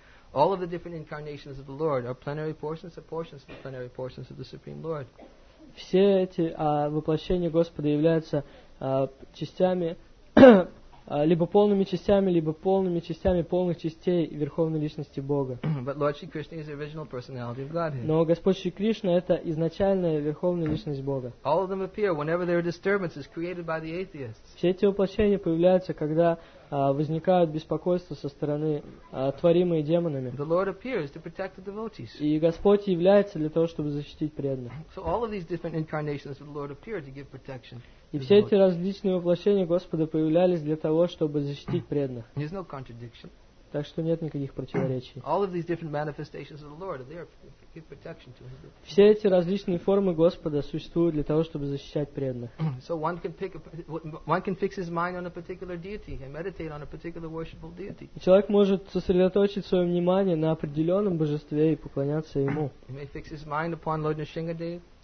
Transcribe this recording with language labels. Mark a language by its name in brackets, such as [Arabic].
[English] All of the different incarnations of the Lord are plenary portions of portions of the plenary portions of the Supreme Lord. [Russian] Все эти воплощения Господа являются частями. Либо полными частями, либо полными частями полных частей Верховной Личности Бога. [English] But Lord Shri Krishna is the original personality of Godhead. [Russian] Но Господь Шри Кришна – это изначальная Верховная Личность Бога. [English] All of them appear whenever there are disturbances created by the atheists. [Russian] Все эти воплощения появляются, когда возникают беспокойства со стороны, творимые демонами. [English] The Lord appears to protect the devotees. [Russian] И Господь является для того, чтобы защитить преданных. [English] So all of these different incarnations of the Lord appear to give protection. [Russian] И все эти различные воплощения Господа появлялись для того, чтобы защитить преданных. [English] There's no contradiction. [Russian] Так что нет никаких противоречий. [English] All of these different manifestations of the Lord are there to give protection to His. [Russian] Все эти различные формы Господа существуют для того, чтобы защищать преданных. [English] So one can fix his mind on a particular deity and meditate on a particular worshipful deity. [Russian] Человек может сосредоточить свое внимание на определенном божестве и поклоняться ему. [English] He may fix his mind upon Lord Nrisimhadeva.